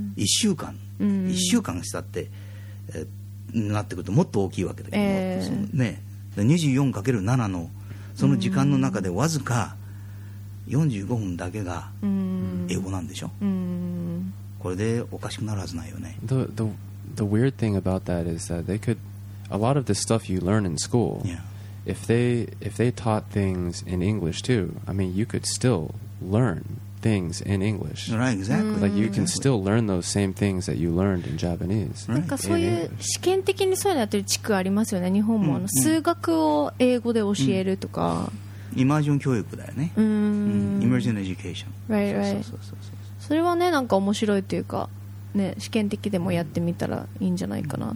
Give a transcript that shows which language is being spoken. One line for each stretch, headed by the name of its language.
Japanese: 1週間、1週間したって、なってくるともっと大きいわけだけど、ね、24×7 のその時間の中でわずか45分だけが英語なんでしょ。これでおかしくなるはずないよね。
English: the weird thing about that is that they could, a lot of the stuff you learn in school、 yeah. if they taught things in English too, I mean you could still learnlearn things in English. Right, exactly. Like you can still learn those same things that you learned in Japanese.
Japanese: なんかそういう試験的にそういうのやってる地区ありますよね。日本もあの数学を英語で教えるとか。イマージョン教育だよね。イマージョンエデュケーション。
English: Right, right.
Japanese: それはね、なんか面白いというか、ね、試験的でもやってみたらいいんじゃないかなと。